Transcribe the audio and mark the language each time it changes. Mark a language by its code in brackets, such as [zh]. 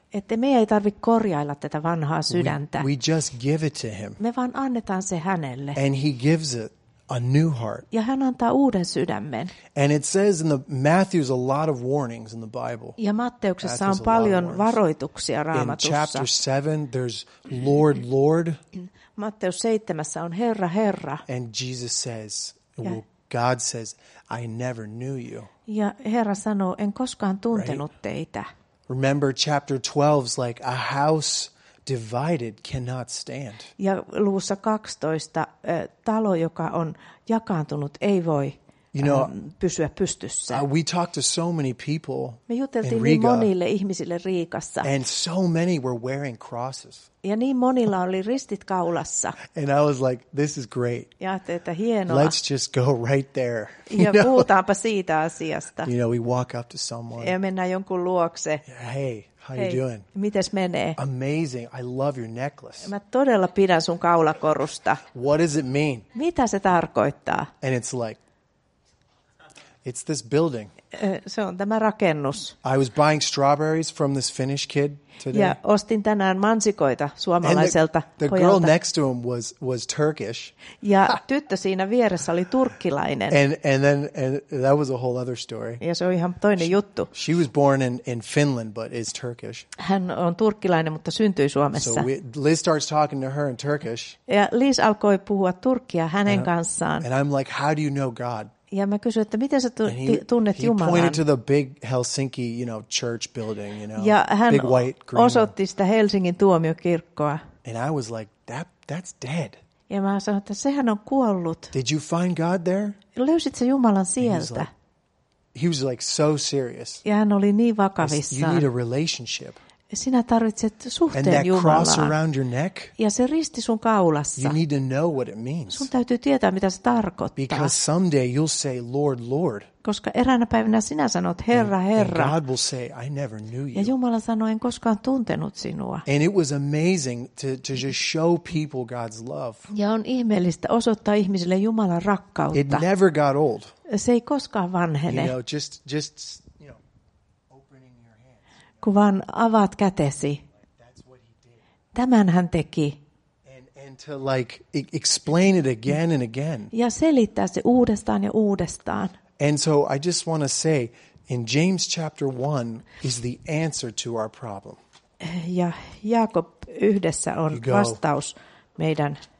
[fi] Että me ei tarvitse korjailla tätä vanhaa sydäntä. [en] We just give it to him. [fi] Me vaan annetaan se hänelle. [en] And he gives it a new heart. [fi] Ja hän antaa uuden sydämen. [en] And it says in the Matthew's a lot of warnings in the Bible. [fi] Ja Matteuksessa on paljon varoituksia Raamatussa. [en] In chapter 7 there's Lord, Lord. [fi] Matteus 7:ssä on Herra, Herra. [en] And Jesus says, well, God says, I never knew you. [fi] Ja Herra sanoo, en koskaan tuntenut teitä. [en] Remember chapter 12 is like a house divided cannot stand. [fi] Ja luvussa 12 talo, joka on jakaantunut, ei voi pysyä pystyssä. [en] We talked to so many people. [fi] Me juteltiin niin monille ihmisille Riikassa. [en] And so many were wearing crosses. [fi] Ja niin monilla oli ristit kaulassa. [en] And I was like, this is great. [fi] Ja ajattelin, että hienoa. [en] Let's just go right there. [fi] Ja puhutaanpa siitä asiasta. [en] You know, we walk up to someone. [fi] Ja mennään jonkun luokse. [en] Hey. How are you doing? [fi] Mites menee? [en] Amazing. I love your necklace. [fi] Mä todella pidän sun kaulakorusta. [en] What does it mean? [fi] Mitä se tarkoittaa? [en] And it's like, it's this building. [fi] Se on tämä rakennus. [en] I was buying strawberries from this Finnish kid today. [fi] Ja ostin tänään mansikoita suomalaiselta pojalta. [en] The girl next to him was Turkish. [fi] Ja tyttö siinä vieressä oli turkkilainen. [en] And then that was a whole other story. [fi] Ja se on ihan toinen juttu. [en] She was born in Finland but is Turkish. [fi] Hän on turkkilainen, mutta syntyi Suomessa. [en] So Liz starts talking to her in Turkish. [fi] Ja Liz alkoi puhua turkkia hänen kanssaan. [en] And I'm like, how do you know God? [fi] Ja mä kysyin, että miten sä tunnet Jumalan? [en] He pointed to the big Helsinki, you know, church building, you know. [fi] Ja hän [en] big white green [fi] osoitti sitä Helsingin tuomiokirkkoa. [en] And I was like, that's dead. [fi] Ja mä sanoin, että sehän on kuollut. [en] Did you find God there? [fi] Löysit sä Jumalan sieltä? [en] He was like so serious. [fi] Ja hän oli niin vakavissaan. [en] You need a relationship. [fi] Sinä tarvitset suhteen [en] and that [fi] Jumalaan. [en] Cross around your neck, [fi] ja se risti sun kaulassa. [en] You need to know what it means. [fi] Sun täytyy tietää, mitä se tarkoittaa. [en] Because someday you'll say, Lord, Lord. [fi] koska eräänä päivänä sinä sanot Herra, Herra. [en] And God will say, I never knew you. [fi] Ja Jumala sanoo, en koskaan tuntenut sinua. [en] And it was amazing to just show people God's love. [fi] Ja on ihmeellistä osoittaa ihmisille Jumalan rakkautta. [en] It never got old. [fi] Se ei koskaan vanhene. [en] You know, just you know, opening your hands. [fi] Kun vaan avaat kätesi. Tämän hän teki. [en] To like explain it again and again. [fi] Ja selittää se uudestaan ja uudestaan. [en] And so I just want to say in James chapter 1 is the answer to our problem. [fi] Ja Jaakob yhdessä on vastaus meidän.